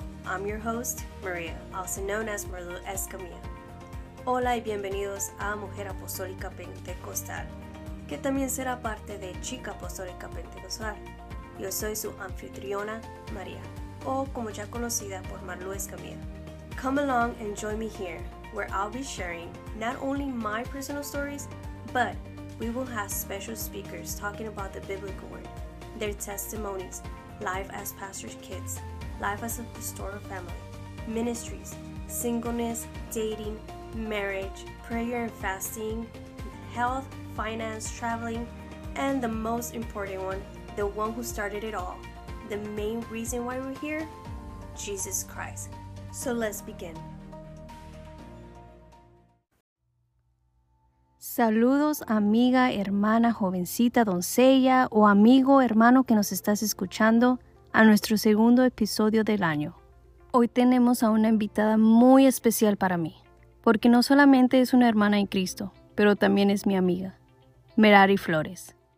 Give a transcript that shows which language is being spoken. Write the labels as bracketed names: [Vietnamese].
[English] I'm your host, Maria, also known as Merlu Escamilla. [Spanish] Hola y bienvenidos a Mujer Apostólica Pentecostal, que también será parte de Chica Apostólica Pentecostal. Yo soy su anfitriona, Maria, o como ya conocida por Merlu Escamilla. [English] Come along and join me here, where I'll be sharing not only my personal stories, but we will have special speakers talking about the biblical word, their testimonies, life as pastor's kids, life as a pastoral family, ministries, singleness, dating, marriage, prayer and fasting, health, finance, traveling, and the most important one, the one who started it all, the main reason why we're here, Jesus Christ. So let's begin. [Spanish] Saludos, amiga, hermana, jovencita, doncella, o amigo, hermano que nos estás escuchando, a nuestro segundo episodio del año. Hoy tenemos a una invitada muy especial para mí, porque no solamente es una hermana en Cristo, pero también es mi amiga, Merari Flores.